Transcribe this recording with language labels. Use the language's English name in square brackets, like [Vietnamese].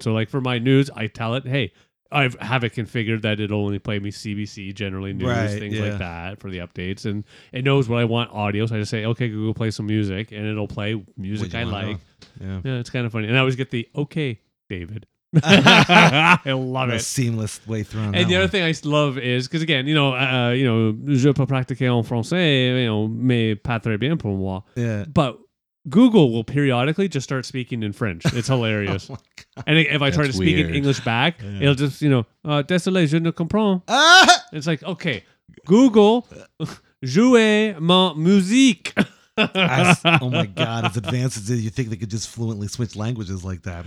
[English] So like for my news, I tell it, hey, I have it configured that it'll only play me CBC, generally news, things like that for the updates. And it knows what I want audio. So I just say, okay, Google, play some music. And it'll play music I like. Yeah, it's kind of funny. And I always get the, okay, David. I love it. A seamless way through. And the other thing I love is, because again, you know, [French] je peux pratiquer en français, [English] you know, [French] mais pas très bien pour moi. [English] Yeah. But Google will periodically just start speaking in French. It's hilarious. And if I try to speak in English back, it'll just, you know, [French] désolé, je ne comprends. [English] It's like, okay, Google, [French] jouez ma musique. [English] Oh my God, as advanced as it is, you think they could just fluently switch languages like that.